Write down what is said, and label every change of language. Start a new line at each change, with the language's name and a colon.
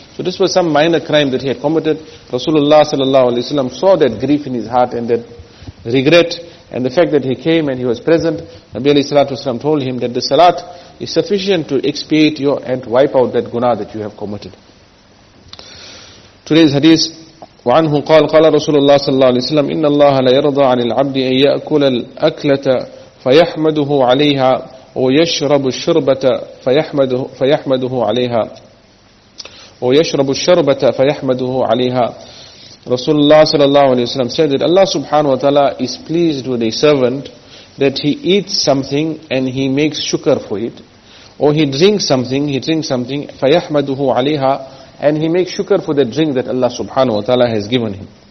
English: So this was some minor crime that he had committed. Rasulullah sallallahu alaihi wasallam saw that grief in his heart and that regret, and the fact that he came and he was present, Nabi alayhi salatu wasalam told him that the salat is sufficient to expiate your and to wipe out that guna that you have committed. Today's hadith,
Arabic: وعنه قال قال رسول الله صلى الله عليه وسلم إن الله لا يرضى عن العبد أن يأكل الأكلة فيحمده عليها ويشرب الشربة فيحمده عليها ويشرب الشربة فيحمده عليها.
English: رسول الله صلى الله عليه وسلم said that Allah subhanahu wa ta'ala is pleased with a servant that he eats something and he makes shukr for it, or he drinks something
Arabic: فيحمده عليها,
English: and he makes shukr for the drink that Allah subhanahu wa ta'ala has given him.